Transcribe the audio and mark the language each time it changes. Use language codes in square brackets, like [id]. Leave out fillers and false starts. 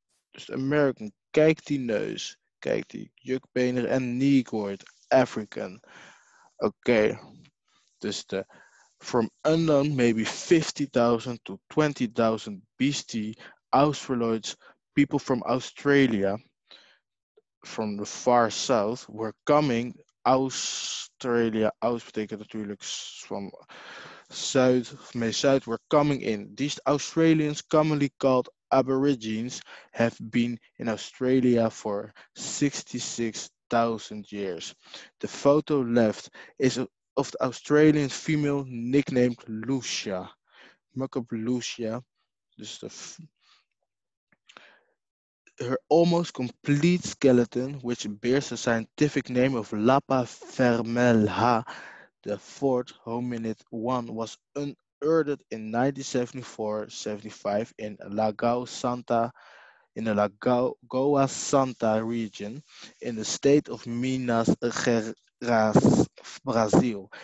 [nl] Dus American, kijk die neus. Kijk die jukbenen en negroid, African. Oké, dus de [en] from unknown, maybe 50,000 to 20,000 BC, Australoids, people from Australia, from the far south, were coming. [nl] Australia, Aus betekent natuurlijk van zuid, mee zuid, [en] were coming in. These Australians, commonly called Aborigines, have been in Australia for 66,000 years. The photo left is of the Australian female nicknamed Lucia. Make up Lucia. Dus her almost complete skeleton, which bears the scientific name of Lapa Vermelha, the fourth hominid one, was unearthed in 1974-75 in the Lagoa Santa region in the state of Minas Gerais, Brazil.